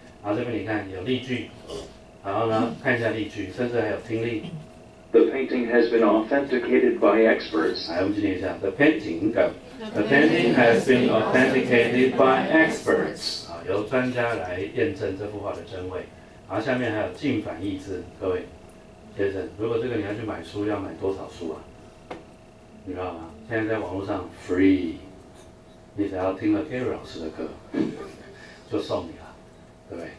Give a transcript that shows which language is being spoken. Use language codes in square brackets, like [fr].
[zh] 然后这边你看有例句，然后呢看一下例句，甚至还有听力。 [en] The painting has been authenticated by experts。 [zh] 来，我们听一下 [en] ，The painting has been authenticated by experts。 [zh] 啊，由专家来验证这幅画的真伪。然后下面还有近反义字，各位先生，如果这个你要去买书，要买多少书啊？你知道吗？现在在网络上 free。你只要听了 Gary 老师的课，就送你了，对不对？